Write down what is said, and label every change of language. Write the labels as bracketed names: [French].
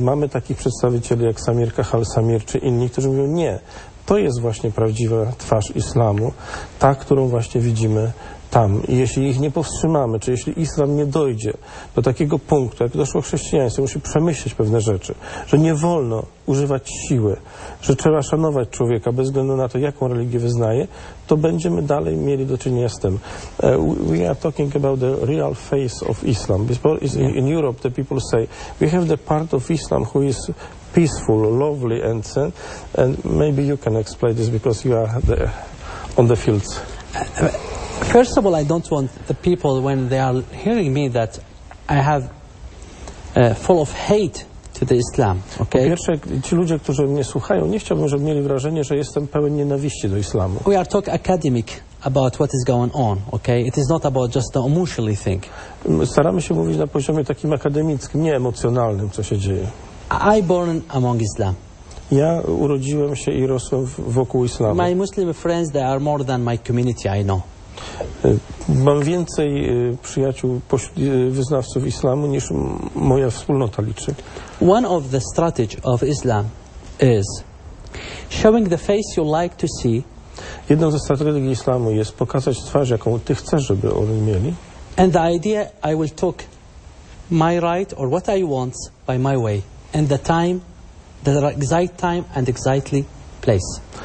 [Polish] Mamy takich przedstawicieli jak Samir Kahal Samir czy inni, którzy mówią nie, to jest właśnie prawdziwa twarz islamu, ta, którą właśnie widzimy tam. I jeśli ich nie powstrzymamy, czy jeśli islam nie dojdzie do takiego punktu, jak doszło chrześcijaństwo, musi przemyśleć pewne rzeczy, że nie wolno używać siły, że trzeba szanować człowieka bez względu na to, jaką religię wyznaje, to będziemy dalej mieli do czynienia z tym. [English] We are talking about the real face of Islam. In Europe, the people say, we have the part of Islam who is peaceful, lovely and maybe you can explain this because you are there on the fields. First of all, I don't want the people, when they are hearing me, that I have full of hate to the Islam. Okay? [Polish] Po pierwsze, ci ludzie, którzy mnie słuchają, nie chciałbym, żeby mieli wrażenie, że jestem pełen nienawiści do islamu. [English] We are talking academic about what is going on, okay? It is not about just the emotionally think. [Polish] Staramy się mówić na poziomie takim akademickim, nie emocjonalnym, co się dzieje. [English] I born among Islam. [Polish] Ja urodziłem się i rosłem wokół islamu. [English] My Muslim friends, they are more than my community, I know. [Polish] Mam więcej przyjaciół pośród wyznawców islamu niż moja wspólnota liczy. [English] One of the strategy of Islam is showing the face you like to see. [Polish] Jedną ze strategii islamu jest pokazać twarz, jaką ty chcesz, żeby oni mieli. [English] And the idea I will talk my right or what I want by my way and the time, the exact time and exactly place.